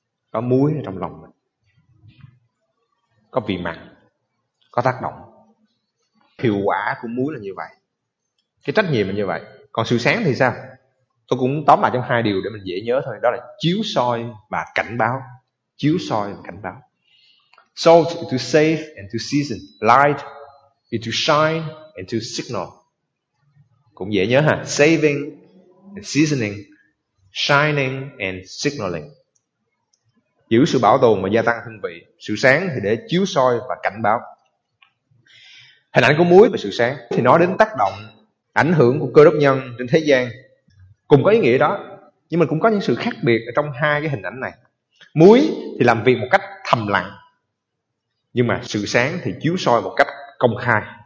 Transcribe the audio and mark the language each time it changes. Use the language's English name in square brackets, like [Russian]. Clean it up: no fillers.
[Vietnamese] Có muối trong lòng mình, có vị mặn, có tác động. Hiệu quả của muối là như vậy, cái trách nhiệm là như vậy. Còn sự sáng thì sao? Tôi cũng tóm lại trong hai điều để mình dễ nhớ thôi. Đó là chiếu soi và cảnh báo. Chiếu soi và cảnh báo. [English] Salt is to save and to season. Light is to shine and to signal. [Vietnamese] Cũng dễ nhớ ha. [English] Saving and seasoning, shining and signaling. [Vietnamese] Giữ sự bảo tồn và gia tăng hương vị. Sự sáng thì để chiếu soi và cảnh báo. Hình ảnh của muối và sự sáng thì nói đến tác động, ảnh hưởng của cơ đốc nhân trên thế gian, cùng có ý nghĩa đó. Nhưng mà cũng có những sự khác biệt ở trong hai cái hình ảnh này. Muối thì làm việc một cách thầm lặng, nhưng mà sự sáng thì chiếu soi một cách công khai.